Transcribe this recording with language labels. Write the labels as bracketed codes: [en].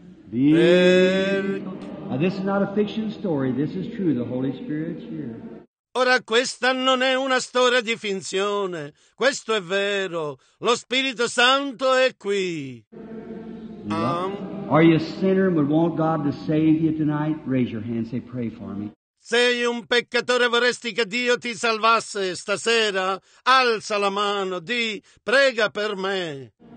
[en] Now this is not a fiction story. This is true. The Holy Spirit's here. [it] Ora questa non è una storia di finzione. Questo è vero. Lo Spirito Santo è qui. [en] Are you a sinner and would want God to save you tonight? Raise your hand and say, pray for me. [it] Sei un peccatore e vorresti che Dio ti salvasse stasera? Alza la mano, di, prega per me.